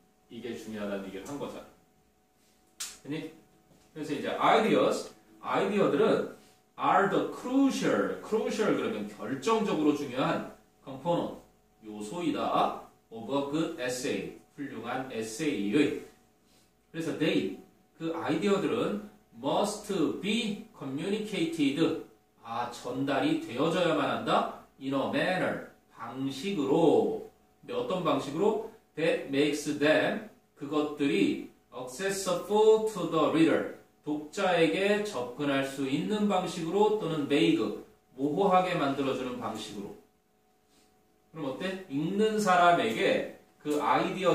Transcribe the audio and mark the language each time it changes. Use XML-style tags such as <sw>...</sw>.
<ko>이게 중요하다는 얘기를 한 거잖아. 아니? 그래서 이제 ideas, 아이디어들은</ko> <en>are the crucial, crucial</en> <ko>그러면 결정적으로 중요한 component, 요소이다.</ko> <en>of a good essay,</en> <ko>훌륭한 에세이의. 그래서 they, 그 아이디어들은</ko> <en>must be communicated,</en> <ko>아 전달이 되어져야만 한다.</ko> <en>in a manner,</en> <ko>방식으로. 근데 어떤 방식으로?</ko> <en>that makes them,</en> <ko>그것들이</ko> <en>accessible to the reader,</en> <ko>독자에게 접근할 수 있는 방식으로, 또는 vague, 모호하게 만들어주는 방식으로. 그럼 어때? 읽는 사람에게 그 아이디어</ko>